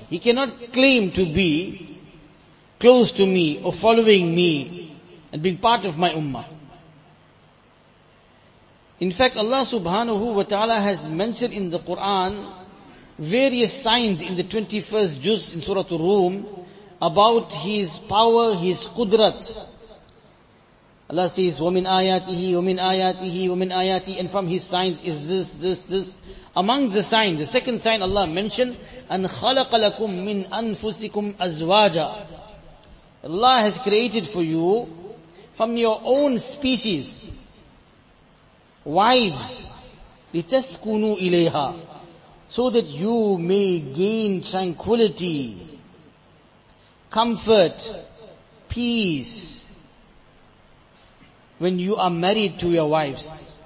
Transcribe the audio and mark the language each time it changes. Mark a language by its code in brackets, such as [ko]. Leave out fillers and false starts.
[en] He cannot claim to be close to me or following me and being part of my ummah. In fact, Allah subhanahu wa ta'ala has mentioned in the Quran various signs in the 21st juz in Surah Ar-Rum about His power, His qudrat. [ar] Allah says, وَمِنْ آيَاتِهِ وَمِنْ آيَاتِهِ وَمِنْ آيَاتِهِ. [en] And from His signs is this, this, this. Among the signs, the second sign Allah mentioned, [ar] أَنْ خَلَقَ لَكُمْ مِنْ أَنفُسِكُمْ أَزْوَاجًا. [en] Allah has created for you from your own species wives, [ar] لِتَسْكُنُوا إِلَيْهَا, [en] so that you may gain tranquility, comfort, peace, when you are married to your wives.